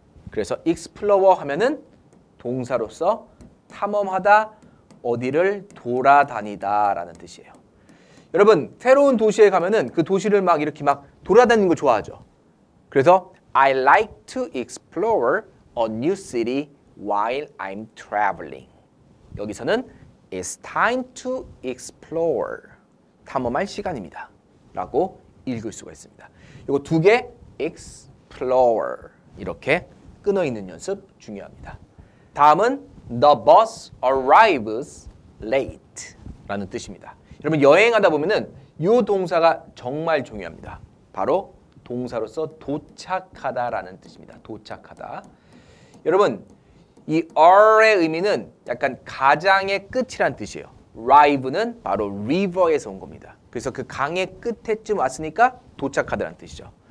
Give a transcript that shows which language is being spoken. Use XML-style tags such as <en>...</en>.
<ko>그래서 explore 하면은 동사로서 탐험하다, 어디를 돌아다니다라는 뜻이에요. 여러분 새로운 도시에 가면은 그 도시를 막 이렇게 막 돌아다니는 걸 좋아하죠.</ko> <en>그래서 I like to explore a new city while I'm traveling.</en> <ko>여기서는</ko> <en>It's time to explore.</en> <ko>탐험할 시간입니다. 라고 읽을 수가 있습니다. 이거 두 개 explore 이렇게 끊어 있는 연습 중요합니다.</ko> <en>다음은 The bus arrives late</en> <ko>라는 뜻입니다. 여러분 여행하다 보면은 이 동사가 정말 중요합니다. 바로 동사로서 도착하다 라는 뜻입니다. 도착하다. 여러분 이 are의 의미는 약간 가장의 끝이란 뜻이에요. arrive는 바로 river에서 온 겁니다. 그래서 그 강의 끝에쯤 왔으니까 도착하다라는 뜻이죠.</ko>